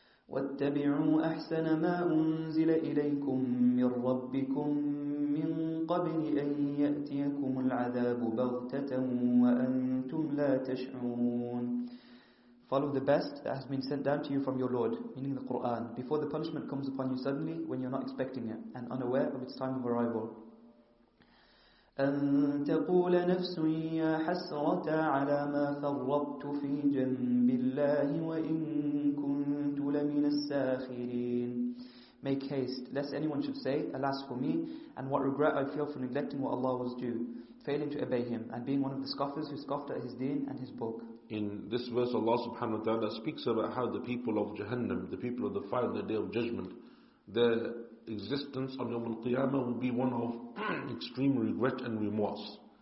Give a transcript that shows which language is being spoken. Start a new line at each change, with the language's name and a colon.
Arabic: وَاتَّبِعُوا أَحْسَنَ مَا أُنزِلَ إِلَيْكُم مِّن رَّبِّكُم مِّن قَبْلِ أَن يَأْتِيَكُمُ الْعَذَابُ بَغْتَةً وَأَنتُمْ لَا تَشْعُرُونَ.
English: Follow the best that has been sent down to you from your Lord, meaning the Quran, before the punishment comes upon you suddenly when you're not expecting it and unaware of its time of arrival.
Arabic: أن تقول نفسي يا حسرة على ما فرطت في جنب الله وإن كنت لمن الساخرين.
English: Make haste, lest anyone should say, alas for me, and what regret I feel for neglecting what Allah was due, failing to obey Him, and being one of the scoffers who scoffed at His deen and His book. In this verse, Allah subhanahu wa ta'ala speaks about how the people of Jahannam, the people of the fire on the day of judgment, their existence on Yawm al-Qiyamah will be one of extreme regret and remorse.